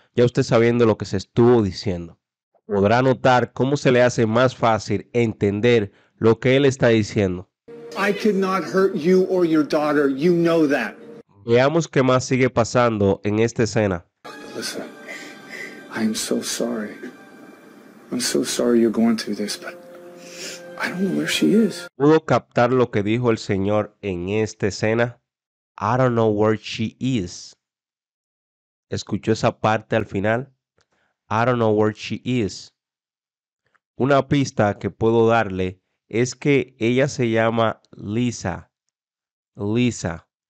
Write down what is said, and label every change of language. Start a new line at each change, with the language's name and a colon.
Spanish: Ya usted sabiendo lo que se estuvo diciendo. Podrá notar cómo se le hace más fácil entender lo que él está diciendo.
English: I could not hurt you or your daughter. You know that.
Spanish: Veamos qué más sigue pasando en esta escena.
English: Listen, I am so sorry. I'm so sorry you're going through this, but I don't know where she is.
Spanish: ¿Pudo captar lo que dijo el señor en esta escena?
English: I don't know where she is.
Spanish: ¿Escuchó esa parte al final?
English: I don't know where she is.
Spanish: Una pista que puedo darle es que ella se llama Lisa. Lisa.